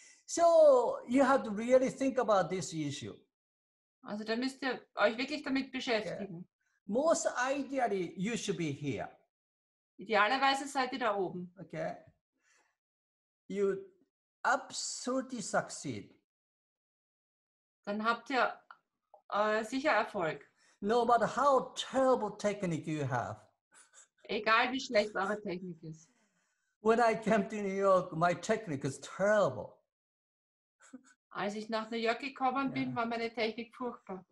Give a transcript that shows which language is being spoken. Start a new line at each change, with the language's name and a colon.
English: So you have to really think about this issue.
German: Also, da müsst ihr euch wirklich damit beschäftigen.
English: Okay. Most ideally, you should be here.
German: Idealerweise seid ihr da oben.
English: Okay. You absolutely succeed.
German: Dann habt ihr sicher Erfolg.
English: No matter how terrible technique you have.
German: Egal wie schlecht eure Technik ist.
English: When I came to New York, my technique is terrible.
German: Als ich nach New York gekommen bin, yeah. War meine Technik furchtbar.